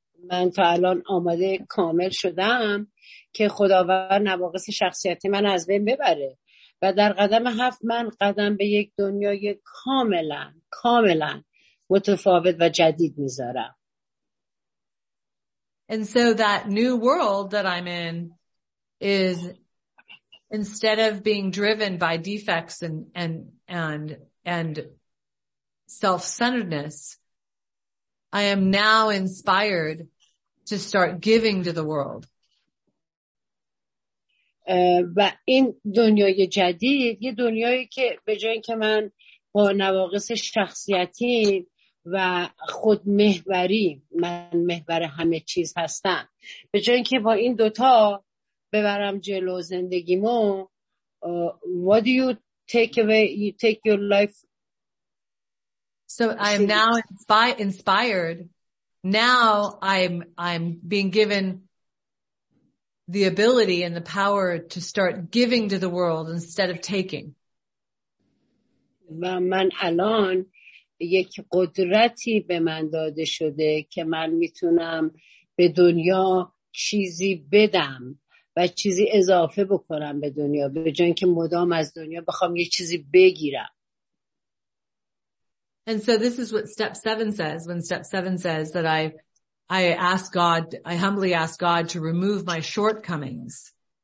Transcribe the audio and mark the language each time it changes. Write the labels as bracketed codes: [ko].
[fa] من تا الان آماده کامل شدم که خداوند نواقص شخصیتی من از بین ببره و در قدم هفت من قدم به یک دنیای کاملا کاملا متفاوت و جدید میذارم. [en] And so that new world that I'm in is instead of being driven by defects and self-centeredness, I am now inspired to start giving to the world. [fa] و این دنیای جدید یه دنیایی که به جای اینکه من با نواقص شخصیتی و خودمحوری من محور همه چیز هستم، به جای اینکه با این دوتا ببرم جلو زندگیمو، [en] what do you take away, you take your life. So I am now inspired. Now I'm being given the ability and the power to start giving to the world instead of taking. [fa] و من الان یک قدرتی به من داده شده که من میتونم به دنیا چیزی بدم و چیزی اضافه بکنم به دنیا به جای اینکه مدام از دنیا بخوام یه چیزی بگیرم. [en] And so this is what step seven says. When step seven says that I humbly ask God to remove my shortcomings.